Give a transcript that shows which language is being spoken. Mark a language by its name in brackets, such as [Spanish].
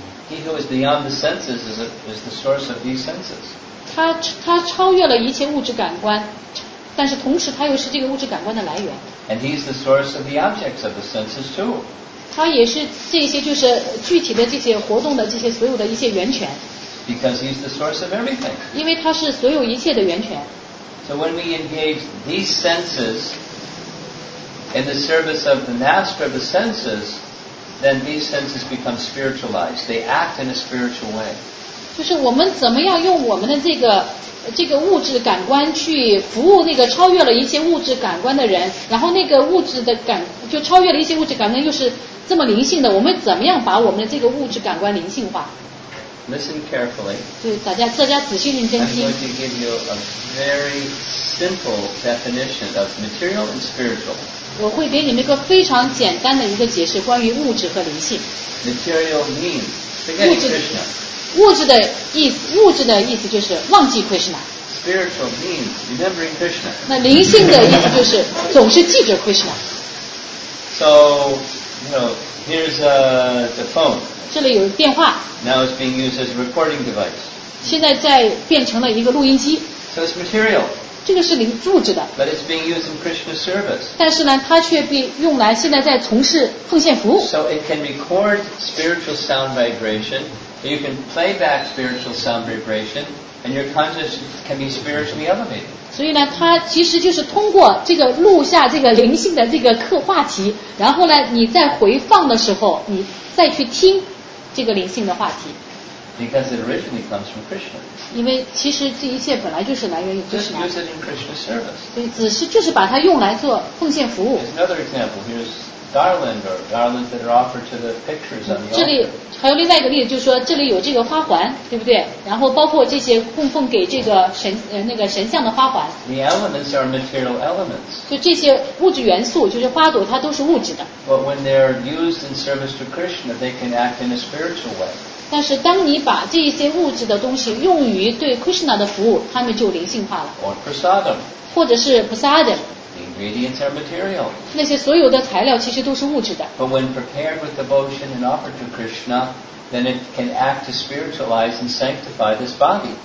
[English] He who is beyond the senses is the source of these senses. [Chinese] 他超越了一切物质感官，但是同时他又是这个物质感官的来源。 [English] And he is the source of the objects of the senses too. [Chinese] 他也是这些就是具体的这些活动的这些所有的一些源泉。 [English] Because he is the source of everything. [Chinese] 因为他是所有一切的源泉。 [English] So when we engage these senses. In the service of the master of the senses, then these senses become spiritualized. They act in a spiritual way. [Chinese] 就是我们怎么样用我们的这个物质感官去服务那个超越了一些物质感官的人，然后那个物质的感就超越了一些物质感官，又是这么灵性的。我们怎么样把我们的这个物质感官灵性化 [English] ？Listen carefully. [Chinese] 就大家仔细认真听。 [English] I'm going to give you a very simple definition of material and spiritual. [Chinese] 我会给你们一个非常简单的一个解释，关于物质和灵性。 [English] Material means Krishna. [Chinese] 物质的意思就是忘记 Krishna. [English] Spiritual means remembering Krishna. [Chinese] 那灵性的意思就是总是记着 Krishna. [English] So, you know, here's the phone. [Chinese] 这里有电话。 [English] Now it's being used as a recording device. [Chinese] 现在在变成了一个录音机。 [English] So it's material. [Chinese] 这个是灵物质的 [English] But it's being used in Krishna's service. [Chinese] 但是呢它却被用来现在在从事奉献服务 [English] So it can record spiritual sound vibration You can play back spiritual sound vibration And your consciousness can be spiritually elevated [Chinese] 所以呢它其实就是通过这个录下这个灵性的这个课话题然后呢你在回放的时候你再去听这个灵性的话题 [English] Because it originally comes from Krishna. [Chinese] 因为其实这一切本来就是来源于 Krishna. [English] Just use it in Krishna's service. [Chinese] 对，就是把它用来做奉献服务。 [English] Here's another example. Here's garlands that are offered to the pictures on the altar. [Chinese] 这里还有另外一个例子，就是说这里有这个花环，对不对？然后包括这些供奉给这个神像的花环。 [English] The elements are material elements. [Chinese] 就这些物质元素，就是花朵，它都是物质的。 [English] But when they're used in service to Krishna, they can act in a spiritual way. [Chinese] 但是当你把这些物质的东西用于对 Krishna 的服务他们就灵性化了 [English] Or prasadam. [Chinese] 或者是 prasadam [English] The ingredients are material. [Chinese] 那些所有的材料其实都是物质的 [English] But when prepared with devotion and offered to Krishna then it can act to spiritualize and sanctify this body